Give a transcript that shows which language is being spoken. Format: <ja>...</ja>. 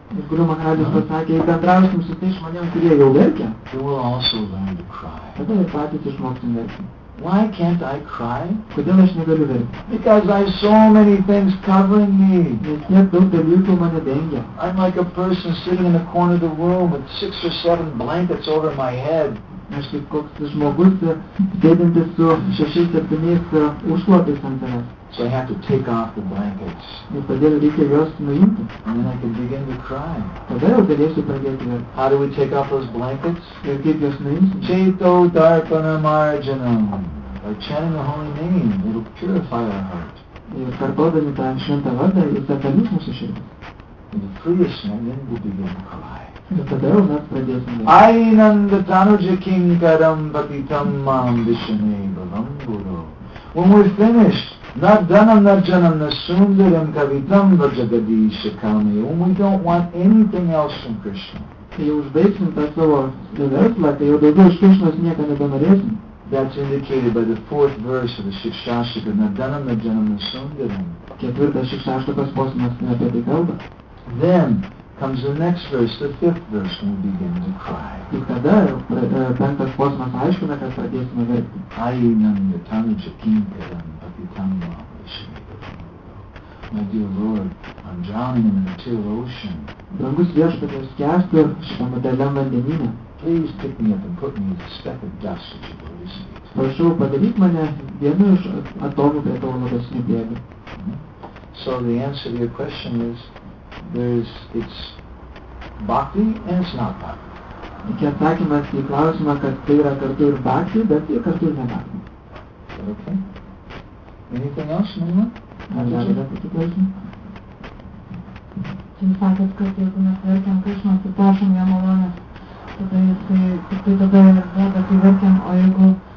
<lt>ir Guru Maharaj pasakė, jei bendrausim su tais žmonėm, kurie jau verkia,</lt> <en>we will also learn to cry.</en> <lt>Tada ir patys išmoksim verkti.</lt> <en>Why can't I cry?</en> <lt>Kodėl aš negaliu verkti?</lt> <en>Because I have so many things covering me.</en> <lt>Nes tiek daug dalykų mane dengia.</lt> <en>I'm like a person sitting in a corner of the room with six or seven blankets over my head.</en> <lt>Aš kaip koks žmogus sėdintis su šešiais septyniais užklotais ant savęs.</lt> <en>So I have to take off the blankets.</en> <lt>Ir todėl reikia juos nuimti.</lt> <en>And then I can begin to cry.</en> <lt>Tada jau galėsiu pradėti verkti.</lt> <en>How do we take off those blankets?</en> <lt>Ir kaip juos nuimti?</lt> <sa>Chaito Darpana Marjanam.</sa> <en>By chanting the holy name, it'll purify our heart.</en> <lt>Ir kartodami tą šventą vardą, jis atvalys mūsų širdį.</lt> <en>And the freest man will begin to cry.</en> <lt>Ir tada jau mes pradėsim.</lt> <sa>Ainanda Tanuja Kinkaram Bhaktam Mam Vishne Balam Guru.</sa> <en>When we're finished,</en> <sa>not dhanam, not janam, not sundaram, kavitam,</sa> <en>not jagadishakami. When we don't want anything else from Krishna.</en> <lt>Kai jau užbaigsim tą savo verslą, kai jau daugiau iš Krishnos nieko nebenorėsim.</lt> <en>That's indicated by the fourth verse of the Shikshashika.</en> <sa>Not dhanam, not janam, not sundaram.</sa> <lt>Ketvirtas Shikshashikas posmas apie tai kalba.</lt> <en>Then comes the next verse, the fifth verse, when we begin to cry.</en> <lt>Tik tada penktas posmas aiškina, kad pradėsime verkti.</lt> <sa>Ainam, yatanuja, kinkaram.</sa> <en>My dear Lord, I'm drowning in an material ocean.</en> <lt>Dangus viešpatie, skęstu šitame dideliam vandenyne.</lt> <en>Please pick me up and put me in a speck of dust that you will receive.</en> <lt>Prašau, padaryk mane vienu iš atomų prie tavo nuodėsinių bėgių.</lt> <en>So the answer to your question is, it's bhakti and it's not bhakti.</en> <lt>Iki atsakymas į klausimą, kad tai yra kartu ir bhakti, bet ir kartu ir ne bhakti.</lt> <en>Okay. Anything else, Nima?</en> <lt>Čia sakėt, kad jeigu mes verkiam Krishna, tai prašom jo malonės, tada jis tai tada ir verkiam, o jeigu</lt>